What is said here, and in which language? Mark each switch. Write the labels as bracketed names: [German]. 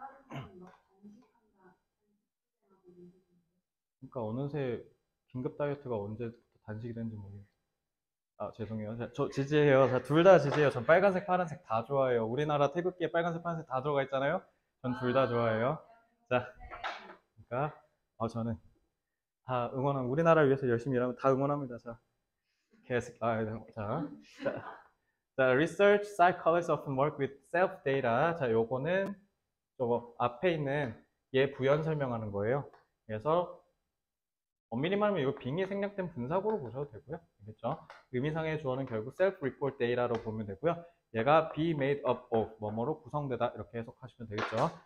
[Korean] 그러니까 어느새 긴급 다이어트가 언제부터 간식이 된지 모르겠어요. 아, 죄송해요. 저 지지해요. 둘다 지지해요. 전 빨간색, 파란색 다 좋아해요. 우리나라 태극기에 빨간색, 파란색 다 들어가 있잖아요. 전둘다 좋아해요. 자, 그러니까 저는 다 응원합니다. 우리나라를 위해서 열심히 일하면 다 응원합니다. 자, 계속. [English] 자, Research psychologists often work with self data. [Korean] 자, 요거는 저거 앞에 있는 얘 부연 설명하는 거예요. 그래서 엄밀히 말하면 이거 빙의 생략된 분석으로 보셔도 되고요. 알겠죠? 의미상의 주어는 결국 [English] self report data [Korean] 로 보면 되고요. 얘가 [English] be made up of [Korean] 뭐뭐로 구성되다 이렇게 해석하시면 되겠죠.